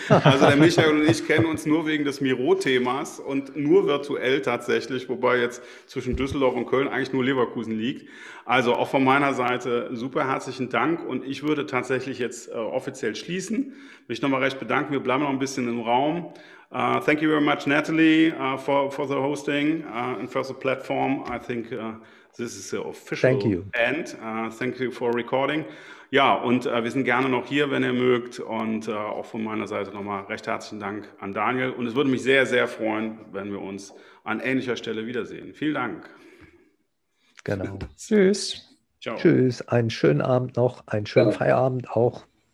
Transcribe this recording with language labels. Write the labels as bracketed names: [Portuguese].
[German] Also der Michael und ich kennen uns nur wegen des Miro-Themas und nur virtuell tatsächlich, wobei jetzt zwischen Düsseldorf und Köln eigentlich nur Leverkusen liegt. Also auch von meiner Seite super herzlichen Dank und ich würde tatsächlich jetzt offiziell schließen. Mich nochmal recht bedanken, wir bleiben noch ein bisschen im Raum. [English] Thank you very much, Natalie, for the hosting and for the platform. I think this is the official thank you. End. Thank you for recording. [German] Ja, und wir sind gerne noch hier, wenn ihr mögt. Und auch von meiner Seite nochmal recht herzlichen Dank an Daniel. Und es würde mich sehr, sehr freuen, wenn wir uns an ähnlicher Stelle wiedersehen. Vielen Dank. Genau. Tschüss. Ciao. Tschüss. Einen schönen Abend noch. Einen schönen Feierabend auch.